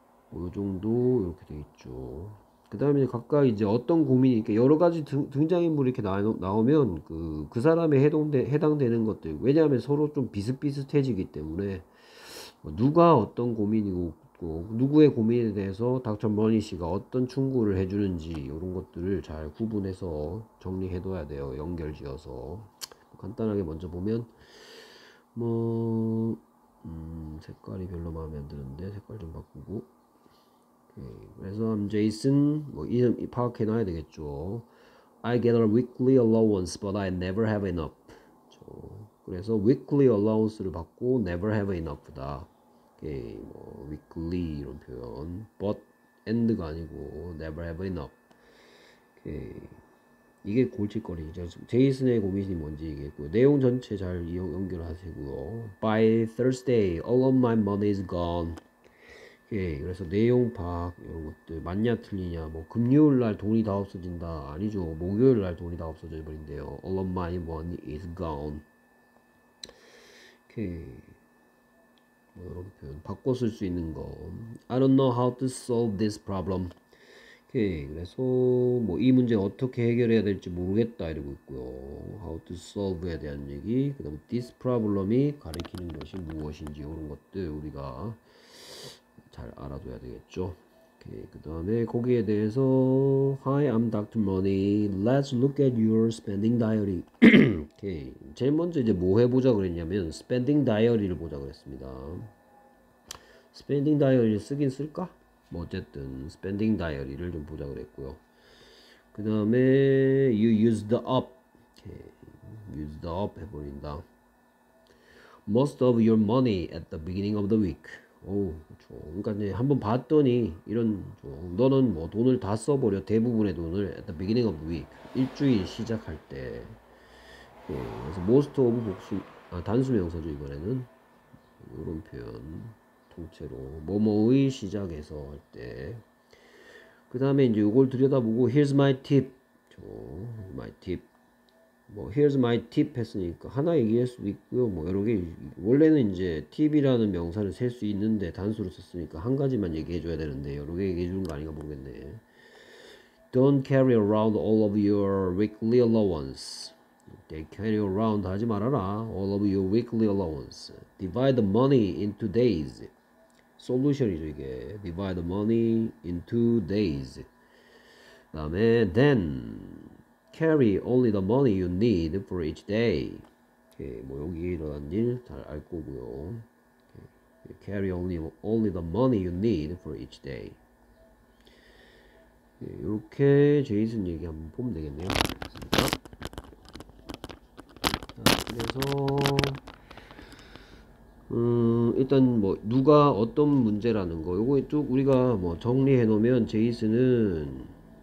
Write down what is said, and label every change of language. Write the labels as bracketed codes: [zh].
[ko] 뭐 요 정도 이렇게 되어있죠. 그 다음에 각각 이제 어떤 고민이, 여러 가지 등장인물이 이렇게 나오면 그 사람에 해당되는 것들, 왜냐하면 서로 좀 비슷비슷해지기 때문에, 누가 어떤 고민이고, 누구의 고민에 대해서 닥터 머니 씨가 어떤 충고를 해주는지, 이런 것들을 잘 구분해서 정리해둬야 돼요. 연결 지어서. 간단하게 먼저 보면, 뭐, 색깔이 별로 마음에 안 드는데, 색깔 좀 바꾸고. 그래서 [en] I'm Jason. [ko] 뭐 이름 파악해 놔야 되겠죠. [en] I get a weekly allowance, but I never have enough. [ko] 그렇죠. 그래서 weekly allowance를 받고 [en] never have enough [ko] 다. 오케이. 뭐 weekly 이런 표현. But and가 아니고 [en] never have enough. [ko] 오케이. 이게 골칫거리죠. Jason의 고민이 뭔지 얘기했고요. 내용 전체 잘 연결하시고요. [en] By Thursday, all of my money is gone. [ko] 예, 그래서 내용 파악 이런 것들 맞냐 틀리냐, 뭐 금요일날 돈이 다 없어진다 아니죠, 목요일날 돈이 다 없어져 버린대요. [en] All of my money is gone. 오케이. [ko] 뭐 이런 표현 바꿔 쓸 수 있는 거. [en] I don't know how to solve this problem. [ko] 오케이. 그래서 뭐 이 문제 어떻게 해결해야 될지 모르겠다 이러고 있고요. How to solve에 대한 얘기. 그 다음 [en] this problem [ko] 이 가리키는 것이 무엇인지 이런 것들 우리가 잘 알아둬야 되겠죠. 오케이. 그 다음에 거기에 대해서 [en] Hi, I'm Dr. Money. Let's look at your spending diary. 오케이. [ko] 제일 먼저 이제 뭐 해보자 그랬냐면 spending diary를 보자 그랬습니다. spending diary를 쓰긴 쓸까? 뭐 어쨌든 spending diary를 좀 보자 그랬고요. 그 다음에 [en] you used up. 오케이. used up [ko] 해버린다. [en] most of your money at the beginning of the week. [ko] 오, 그렇죠. 그러니까 이제 한번 봤더니 이런 좀, 너는 뭐 돈을 다 써버려. 대부분의 돈을 [en] at the beginning of the week, [ko] 일주일 시작할 때. 예, 그래서 most of 복수, 아 단수 명사죠 이번에는. 이런 표현 통째로 뭐뭐의 시작에서 할 때. 그 다음에 이제 이걸 들여다보고 [en] here's my tip. [ko] 저, my tip. 뭐 here's my tip 했으니까 하나 얘기할 수도 있고요. 뭐 여러 개, 원래는 이제 tip이라는 명사를 셀 수 있는데 단수로 썼으니까 한 가지만 얘기해 줘야 되는데 여러 개 얘기해 주는 거 아닌가 모르겠네. [en] Don't carry around all of your weekly allowance. They carry around [ko] 하지 말아라. [en] All of your weekly allowance. Divide the money into days. Solution이죠 [ko] 이게. [en] Divide the money into days. [ko] 다음에 [en] then carry only the money you need for each day. [ko] 오케이, 뭐 여기 일어난 일 잘 알 거고요. [en] 오케이, carry only the money you need for each day. [ko] 오케이, 이렇게 제이슨 얘기 한번 보면 되겠네요. 자, 그래서 일단 뭐 누가 어떤 문제라는 거 요거 쭉 우리가 뭐 정리해 놓으면 제이슨은